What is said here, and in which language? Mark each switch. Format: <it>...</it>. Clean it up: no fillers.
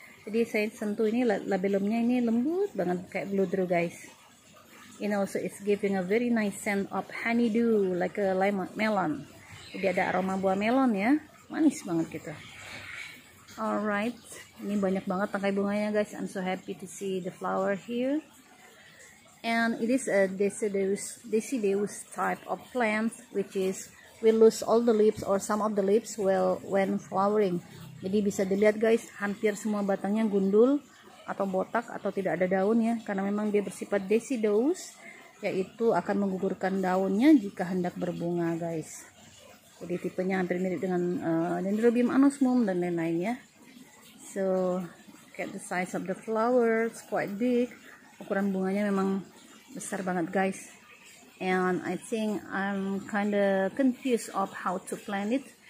<id>Jadi saya sentuh ini labelumnya ini lembut banget kayak bludru guys.</id> <en>And also it's giving a very nice scent of honeydew like a lime melon.</en> <id>Jadi ada aroma buah melon ya. Manis banget gitu. Alright. Ini banyak banget tangkai bunganya guys.</id> <en>I'm so happy to see the flower here. And it is a deciduous type of plant which is we lose all the leaves or some of the leaves well when flowering.</en> <id>Jadi bisa dilihat guys, hampir semua batangnya gundul atau botak atau tidak ada daun ya, karena memang dia bersifat deciduous, yaitu akan menggugurkan daunnya jika hendak berbunga guys. Jadi tipenya hampir mirip dengan Dendrobium anosmum dan lain-lain ya.</id> <en>So look at the size of the flower, it's quite big.</en> <id>Ukuran bunganya memang besar banget guys.</id> <en>And I think I'm kind of confused of how to plant it.</en>